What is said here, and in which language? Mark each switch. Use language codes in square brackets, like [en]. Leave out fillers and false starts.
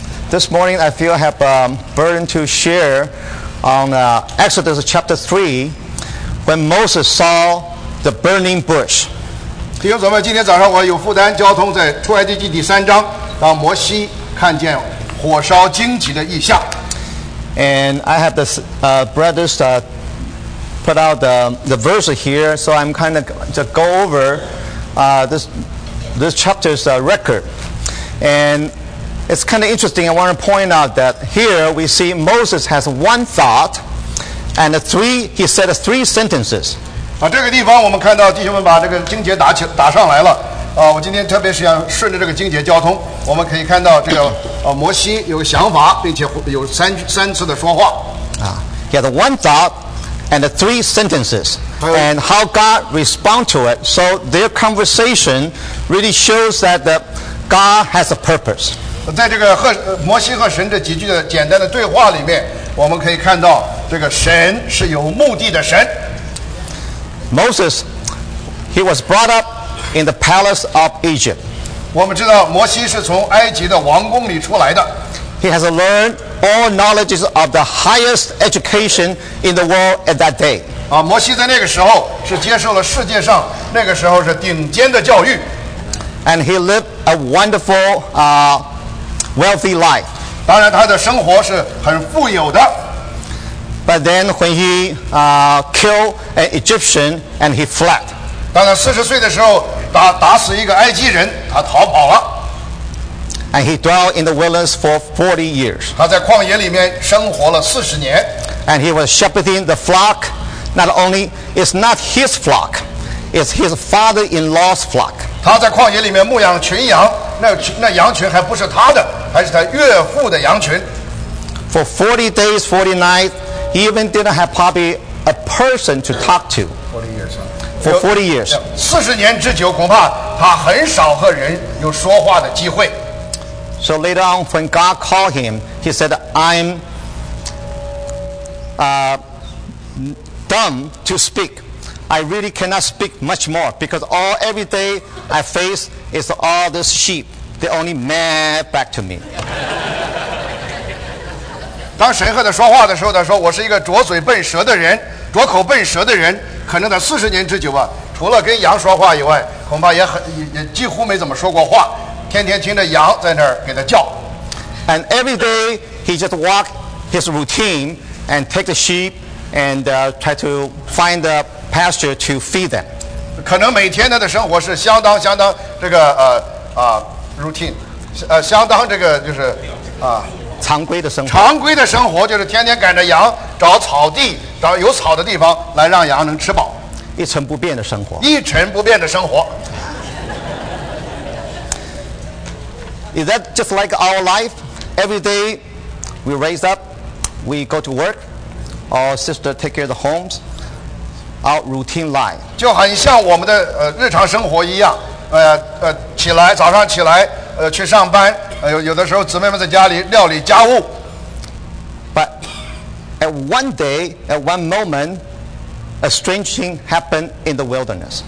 [en] This morning I feel I have a burden to share on Exodus chapter 3 when Moses saw the burning bush. [zh] 弟兄姊妹，今天早上我有负担交通在出埃及记第三章，当摩西看见火烧荆棘的异象。 [en] And I have this brothers put out the verse here, so I'm kind of to go over this chapter's record. And it's kind of interesting. I want to point out that here we see Moses has one thought, and he said three sentences. [zh] 啊，这个地方我们看到弟兄们把这个经节打上来了。啊，我今天特别是想顺着这个经节交通，我们可以看到这个摩西有想法，并且有三次的说话。 [en] 啊， he had one thought. And the three sentences, and how God responds to it. So their conversation really shows that God has a purpose. [zh] 在这个和摩西和神这几句的简单的对话里面，我们可以看到这个神是有目的的神。 [en] Moses, he was brought up in the palace of Egypt. [zh] 我们知道摩西是从埃及的王宫里出来的。 [en] He has learned all knowledges of the highest education in the world at that day. [zh] 啊，摩西在那个时候是接受了世界上那个时候是顶尖的教育。 [en] And he lived a wonderful, wealthy life. [zh] 当然，他的生活是很富有的。 [en] But then, when he killed an Egyptian and he fled. [zh] 当他四十岁的时候打死一个埃及人，他逃跑了。 [en] And he dwelt in the wilderness for 40 years. [zh] 他在旷野里面生活了四十年。 [en] And he was shepherding the flock. Not only it's not his flock, it's his father-in-law's flock. [zh] 他在旷野里面牧养群羊，那羊群还不是他的，还是他岳父的羊群。 [en] For 40 days, 40 nights, he even didn't have probably a person to talk to. 40 years. For 40 years. [zh] 四十年之久，恐怕他很少和人有说话的机会。 [en] So later on, when God called him, he said, "I'm dumb to speak. I really cannot speak much more because all every day I face is all these sheep. They only meh back to me." [zh] 当神和他说话的时候，他说：“我是一个拙嘴笨舌的人，拙口笨舌的人。可能在四十年之久吧，除了跟羊说话以外，恐怕也几乎没怎么说过话。” 天天听着羊在那儿给他叫。 [en] And every day he just walk his routine and take the sheep and try to find the pasture to feed them. [zh] 可能每天他的生活是相当相当这个routine， 相当这个就是常规的生活。常规的生活就是天天赶着羊找草地，找有草的地方来让羊能吃饱。一成不变的生活。一成不变的生活。 [en] Is that just like our life? Every day, we raise up, we go to work, our sister take care of the homes, our routine life. [zh] 就很像我们的日常生活一样，起来早上起来，去上班，有的时候姊妹们在家里料理家务。 [en] But at one day, at one moment, a strange thing happened in the wilderness.